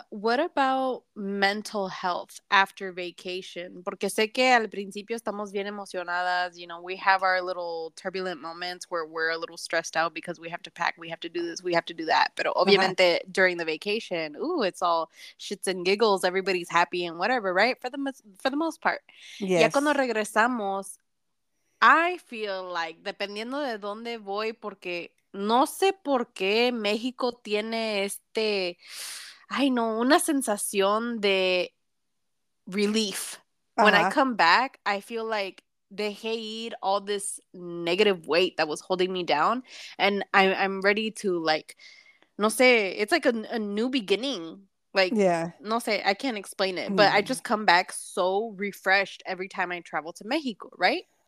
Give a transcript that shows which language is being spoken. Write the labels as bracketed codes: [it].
[en] What about mental health after vacation? [es] Porque sé que al principio estamos bien emocionadas, [en] you know, we have our little turbulent moments where we're a little stressed out because we have to pack, we have to do this, we have to do that. [es] Pero obviamente [en] during the vacation, ooh, it's all shits and giggles, everybody's happy and whatever, right? For the most part. Yes. [es] Ya cuando regresamos, [en] I feel like, [es] dependiendo de dónde voy, porque no sé por qué México tiene este, ay no, una sensación de relief. Uh-huh. [en] When I come back, I feel like [es] dejé ir [en] all this negative weight that was holding me down. And I'm ready to, like, [es] no sé, [en] it's like a new beginning. Like, [es] no sé, [en] I can't explain it, but I just come back so refreshed every time I travel to Mexico, right?